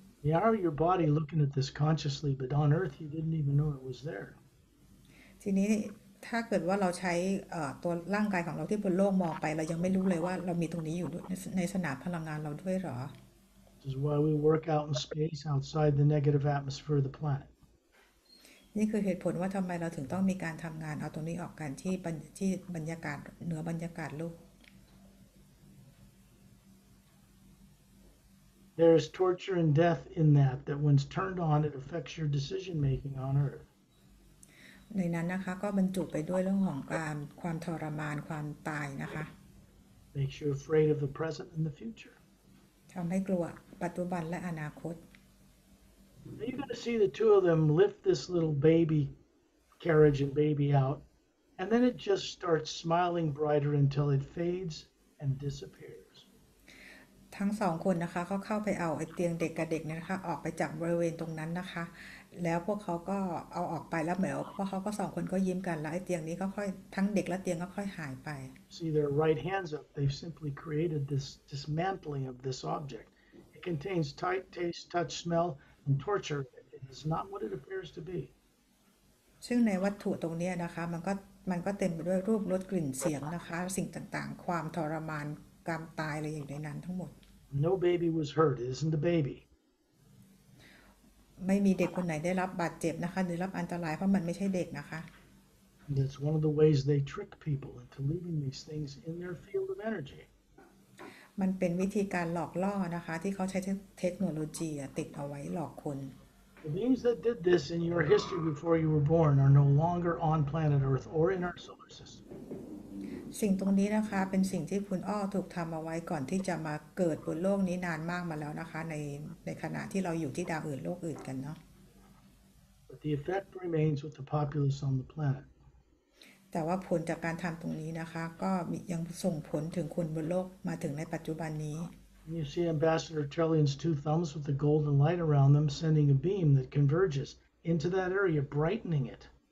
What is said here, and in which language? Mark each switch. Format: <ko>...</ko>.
<en>Yeah, your body looking at this consciously, but on Earth you didn't even know it was there.</en> <th>ทีนี้ถ้าเกิดว่าเราใช้ตัวร่างกายของเราที่บนโลกมองไปเรายังไม่รู้เลยว่าเรามีตรงนี้อยู่ในสนามพลังงานเราด้วยหรอ</th> <en>This is why we work out in space outside the negative atmosphere of the planet.</en> <th>นี่คือเหตุผลว่าทำไมเราถึงต้องมีการทำงานเอาตรงนี้ออกกันที่บรรยากาศเหนือบรรยากาศโลก</th> <en>There is torture and death in that that when it's turned on it affects your decision making on earth.</en> <th>ในนั้นนะคะก็บรรจุไปด้วยเรื่องของการความทรมานความตายนะคะ</th> <en>Makes you afraid of the present and the future.</en> <th>ทำให้กลัวปัจจุบันและอนาคต</th> <en>Are you going to see the two of them lift this little baby carriage and baby out, and then it just starts smiling brighter until it fades and disappears.</en> <th>ทั้งสองคนนะคะเขาเข้าไปเอาไอ้เตียงเด็กกับเด็กนะคะออกไปจากบริเวณตรงนั้นนะคะแล้วพวกเขาก็เอาออกไปแล้วเหมียวพวกเขาก็สองคนก็ยิ้มกันแล้วไอ้เตียงนี้ก็ค่อยทั้งเด็กและเตียงก็ค่อยหายไป</th> <en>See their right hands up they've simply created this dismantling of this object it contains tight taste touch smell and torture it is not what it appears to be</en> <th>ซึ่งในวัตถุตรงนี้นะคะมันก็เต็มไปด้วยรูปรสกลิ่นเสียงนะคะสิ่งต่างๆความทรมานการตายอะไรอย่างในนั้นทั้งหมด</th> <en>No baby was hurt. It isn't a baby.</en> <th>ไม่มีเด็กคนไหนได้รับบาดเจ็บนะคะหรือรับอันตรายเพราะมันไม่ใช่เด็กนะคะ</th> <en>That's one of the ways they trick people into leaving these things in their field of energy.</en> <th>มันเป็นวิธีการหลอกล่อนะคะที่เขาใช้เทคโนโลยีติดเอาไว้หลอกคน</th> <en>The beings that did this in your history before you were born are no longer on planet Earth or in our solar system.</en> <th>สิ่งตรงนี้นะคะเป็นสิ่งที่คุณอ้อถูกทำเอาไว้ก่อนที่จะมาเกิดบนโลกนี้นานมากมาแล้วนะคะในขณะที่เราอยู่ที่ดาวอื่นโลกอื่นกันเนาะ</th> <en>But the effect remains with the populace on the planet.</en> <th>แต่ว่าผลจากการทำตรงนี้นะคะก็ยังส่งผลถึงคุณบนโลกมาถึงในปัจจุบันนี้</th> <en>You see Ambassador Trellian's two thumbs with the golden light around them sending a beam that converges into that area brightening it.</en>